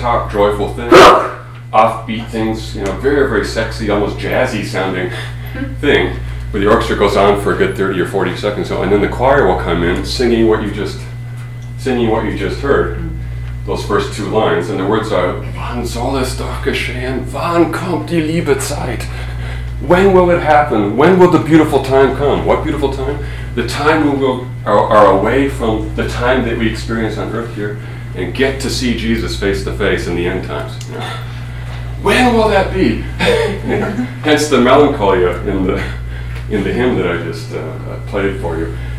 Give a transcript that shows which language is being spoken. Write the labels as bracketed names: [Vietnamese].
[English] Joyful thing, offbeat things, very, very sexy, almost jazzy sounding thing. But the orchestra goes on for a good 30 or 40 seconds, and then the choir will come in singing what you just heard, those first two lines, and the words are, [German] Wann soll es doch geschehen? Wann kommt die Liebe Zeit? [English] When will it happen? When will the beautiful time come? What beautiful time? The time when we are away from the time that we experience on earth here, and get to see Jesus face to face in the end times. When will that be? Hence the melancholia in the hymn that I just played for you.